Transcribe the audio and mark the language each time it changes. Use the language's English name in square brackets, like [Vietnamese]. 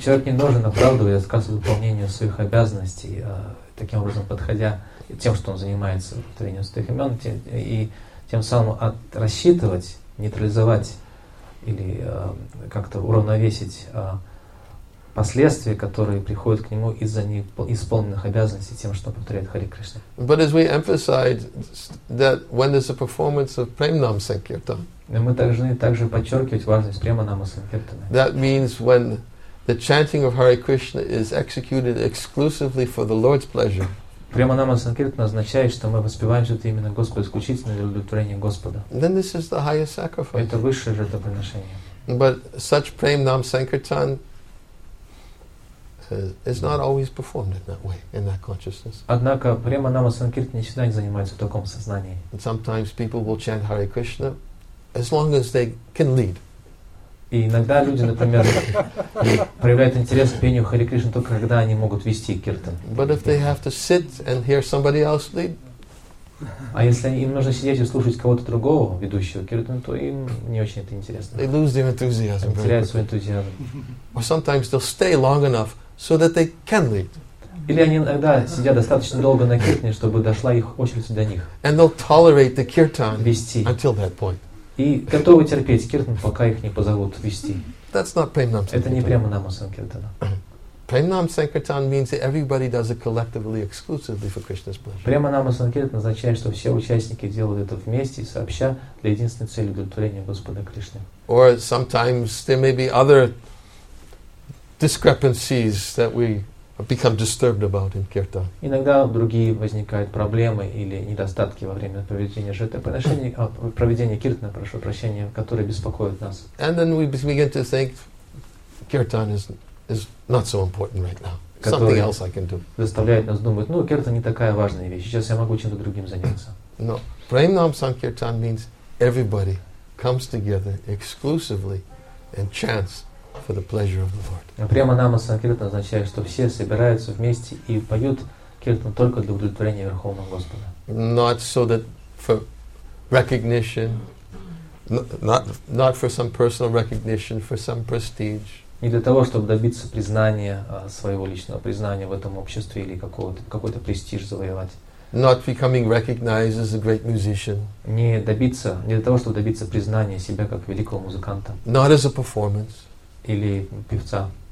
[Russian] И человек не должен оправдывать отказ от выполнения своих обязанностей таким образом, подходя тем, что он занимается повторением святых имен, и тем самым рассчитывать, нейтрализовать или как-то уравновесить последствия, которые приходят к нему из-за неисполненных обязанностей тем, что повторяет Харе Кришна. [English] But as we emphasized that when there's a performance of Premnam Sankirtan. [Russian] Но мы должны также подчеркивать важность Премнама Санкиртана. [English] That means when the chanting of Hare Krishna is executed exclusively for the Lord's pleasure. [Russian] Премнама Санкиртана означает, что мы воспеваем что-то именно Господа, исключительно для удовлетворения Господа. [English] Then this is the highest sacrifice. [Russian] Это высшее жертвоприношение. [English] But such Premnam Sankirtan is not always performed in that way, in that consciousness. [Russian] Однако Премнама Санкиртана не всегда занимается в таком сознании. [English] And sometimes people will chant Hare Krishna as long as they can lead. [Russian] И иногда люди, например, проявляют интерес к пению Харе Кришна только когда они могут вести киртан. [English] But if they have to sit and hear somebody else lead, [Russian] А если им нужно сидеть и слушать кого-то другого, ведущего киртан, то им не очень это интересно. [English] They lose their enthusiasm. [Russian] Они теряют свой энтузиазм. [English] Or sometimes they'll stay long enough so that they can lead. [Russian] Или они иногда сидят достаточно долго на киртане, чтобы дошла их очередь до них. [English] And they'll tolerate the kirtan until that point. [Russian] И готовы терпеть киртан, пока их не позовут вести. [English] That's not Premnam Sankirtan. [Russian] Это не Премнама Санкиртана. [English] Premnam Sankirtan means that everybody does it collectively, exclusively for Krishna's pleasure. [Russian] Премнама Санкиртан означает, что все участники делают это вместе, сообща, для единственной цели удовлетворения Господа Кришны. [English] Or sometimes there may be other discrepancies that we become disturbed about in kirtan. [Russian] Иногда другие возникают проблемы или недостатки во время проведения киртана, которые беспокоят нас. [English] And then we begin to think kirtan is not so important right now. Something else I can do. [Russian] Заставляет нас думать, ну, киртан не такая важная вещь. Сейчас я могу чем-то другим заняться. [English] No, Premnam Sankirtan means everybody comes together exclusively and chants for the pleasure of the Lord. [Russian] Премнама Санкиртан означает, что все собираются вместе и поют киртан только для удовлетворения Верховного Господа. [English] Not so that for recognition, not for some personal recognition, for some prestige. [Russian] Не для того, чтобы добиться признания, своего личного признания в этом обществе или какой-то престиж завоевать. [English] Not becoming recognized as a great musician. [Russian] Не для того, чтобы добиться признания себя как великого музыканта. [English] Not as a performance. [Russian] Или певца.